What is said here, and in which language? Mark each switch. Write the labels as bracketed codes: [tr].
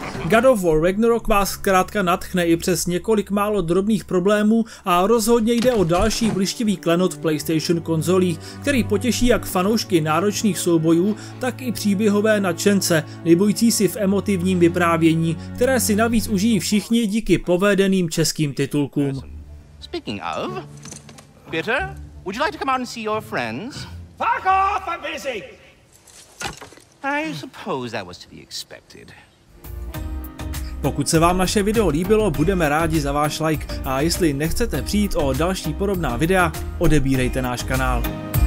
[cs] God of War Ragnarok vás zkrátka nadchne i přes několik málo drobných problémů a rozhodně jde o další blištivý klenot v PlayStation konzolí, který potěší jak fanoušky náročných soubojů, tak i příběhové nadšence, libující si v emotivním vyprávění, které si navíc užijí všichni díky povedeným českým titulkům. [en] Speaking of, Bitter, would you like to come out and see your friends? Fuck off, I'm busy! I suppose that was to be expected. [cs] Pokud se vám naše video líbilo, budeme rádi za váš like a jestli nechcete přijít o další podobná videa, odebírejte náš kanál.